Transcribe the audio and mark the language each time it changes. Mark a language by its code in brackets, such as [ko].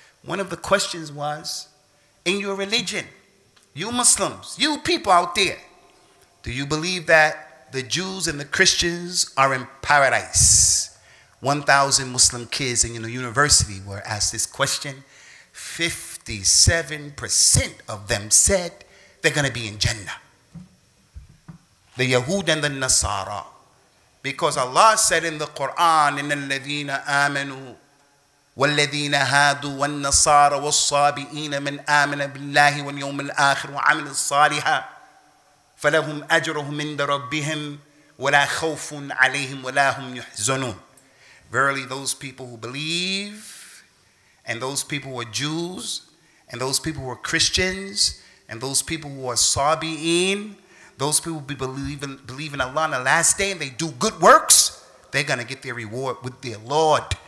[en] One of the questions was, in your religion, you Muslims, you people out there, do you believe that the Jews and the Christians are in paradise? 1,000 Muslim kids in the university were asked this question. 57% of them said they're going to be in Jannah. The Yahud and the Nasara. Because Allah said in the Quran, in [ar] الَّذِينَ آمَنُوا وَالَّذِينَ هَادُوا وَالنَّصَارَ وَالصَّابِئِينَ مِنْ آمَنَ بِاللَّهِ وَالْيَوْمِ الْآخِرِ وَعَمِلِ الصَّالِحَةِ فَلَهُمْ أَجْرُهُمْ مِنْ رَبِّهِمْ وَلَا خَوْفٌ عَلَيْهِمْ وَلَا هُمْ يُحْزَنُونَ. [en] Verily, those people who believe, and those people who are Jews, and those people who are Christians, and those people who are Sabi'een, those people who believe in Allah on the last day, and they do good works, they're going to get their reward with their Lord.